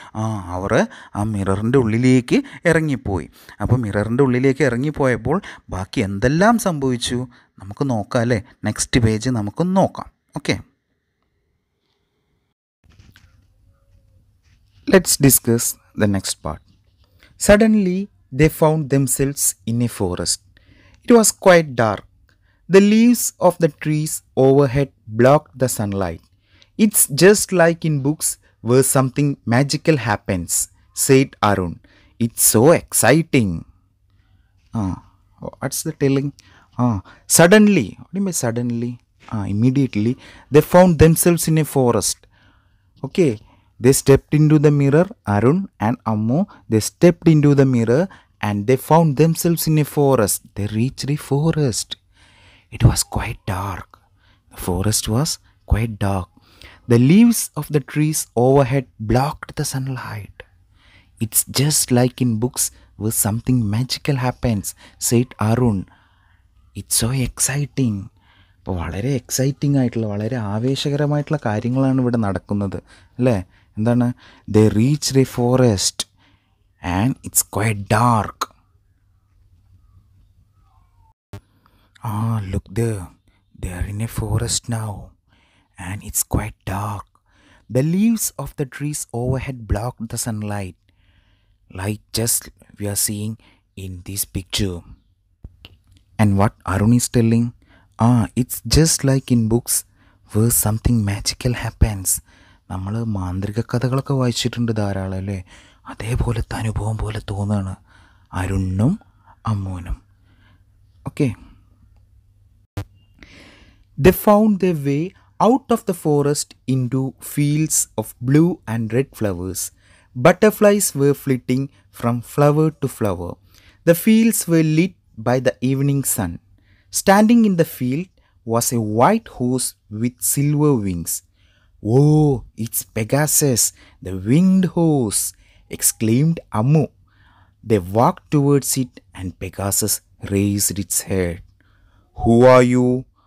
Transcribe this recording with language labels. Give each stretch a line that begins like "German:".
Malayalam: ആ അവർ ആ മിററിൻ്റെ ഉള്ളിലേക്ക് ഇറങ്ങിപ്പോയി. അപ്പോൾ മിററിൻ്റെ ഉള്ളിലേക്ക് ഇറങ്ങിപ്പോയപ്പോൾ ബാക്കി എന്തെല്ലാം സംഭവിച്ചു നമുക്ക് നോക്കാം അല്ലേ. നെക്സ്റ്റ് പേജ് നമുക്ക് നോക്കാം.
English: Okay, let's discuss the next part. Suddenly they found themselves in a forest. It was quite dark. The leaves of the trees overhead blocked the sunlight. It's just like in books where something magical happens, said Arun. It's so exciting. What's the telling? Suddenly, what do you mean suddenly? Immediately, they found themselves in a forest. Okay. They stepped into the mirror, Arun and Ammu, they stepped into the mirror and they found themselves in a forest. They reached the forest. It was quite dark. The forest was quite dark. The leaves of the trees overhead blocked the sunlight. It's just like in books where something magical happens, said Arun. It's so exciting.
Malayalam: അപ്പോൾ വളരെ exciting ആയിട്ടുള്ള, വളരെ ആവേശകരമായിട്ടുള്ള കാര്യങ്ങളാണ് ഇവിടെ നടക്കുന്നത് അല്ലേ. എന്താണ്?
English: They reach the forest and it's quite dark. Ah look they're in a forest now and it's quite dark. The leaves of the trees overhead block the sunlight like just we are seeing in these picture. And what Arun is telling? It's just like in books where something magical happens.
Malayalam: നമ്മൾ മാന്ത്രിക കഥകളൊക്കെ വായിച്ചിട്ടുണ്ട് ധാരാളം അല്ലേ, അതേപോലെ അനുഭവം പോലെ തോന്നുകയാണ് അരുണും അമ്മൂനും.
English: Okay, they found the way out of the forest into fields of blue and red flowers. Butterflies were flitting from flower to flower. The fields were lit by the evening sun. Standing in the field was a white horse with silver wings. Oh, it's Pegasus, the winged horse, exclaimed Ammu. They walked towards it and Pegasus raised its head. Who are you?